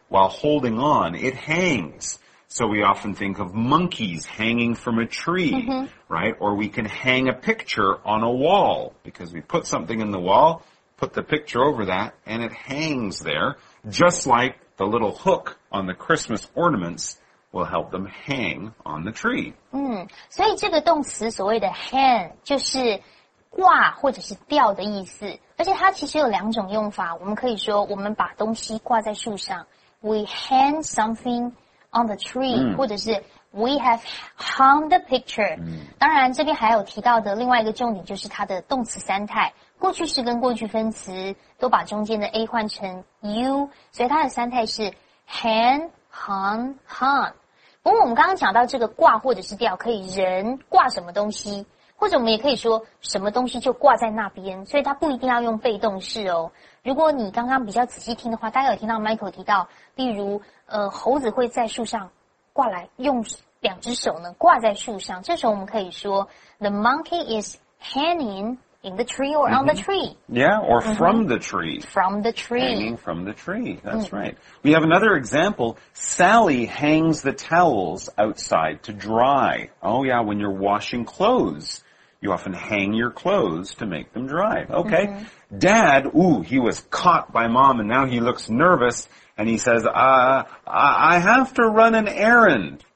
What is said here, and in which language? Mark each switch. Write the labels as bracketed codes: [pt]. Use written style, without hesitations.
[en] While holding on, it hangs. So we often think of monkeys hanging from a tree,、right? Or we can hang a picture on a wall because we put something in the wall, put the picture over that, and it hangs there, just like the little hook on the Christmas ornaments will help them hang on the tree.、 [zh] 所以这个动词所谓的 hang 就是挂或者是吊的意思。而且它其实有两种用法。我们可以说我们把东西挂在树上。 [en] We hang something on the tree,、 [zh] 或者是 [en] we have hung the picture.、 [zh] 当然这边还有提到的另外一个重点就是它的动词三态。过去式跟过去分词都把中间的 A 换成 U, 所以它的三态是 hang, hung, hung. 不过我们刚刚讲到这个挂或者是吊可以人挂什么东西或者我们也可以说什么东西就挂在那边所以它不一定要用被动式哦。如果你刚刚比较仔细听的话大家有听到 Michael 提到例如猴子会在树上挂来用两只手呢挂在树上这时候我们可以说 [en] The monkey is hanging in the tree or on the tree. Yeah, or from the tree. From the tree. Hanging from the tree, that's right. We have another example. Sally hangs the towels outside to dry. Oh yeah, when you're washing clothes. You often hang your clothes to make them dry. Okay.、Dad, ooh, he was caught by mom and now he looks nervous and he says, I have to run an errand.